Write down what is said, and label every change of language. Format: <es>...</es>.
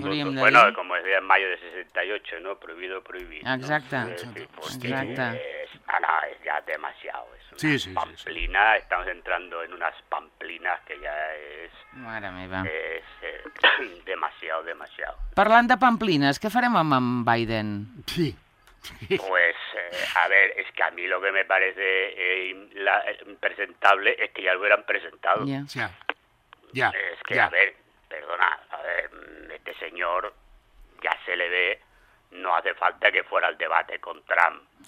<es>Bueno, como es en mayo de 68, ¿no? Prohibir. Exacto. ¿No? Exacto. Ahora es ya demasiado. Es una pamplina. Sí, sí, sí. Estamos entrando en unas pamplinas que ya es...</es> <ca>Mare meva.</ca> <es>Es demasiado, demasiado.</es> <ca>Parlant de pamplines, què farem amb en Biden?</ca> <es>Sí. Pues, a ver, es que a mí lo que me parece impresentable es que ya lo hubieran presentado. Ya. Yeah. Yeah. Ya, es que, a ver, perdona, a ver, este señor ya se le ve, no hace falta que fuera al debate con Trump.</es>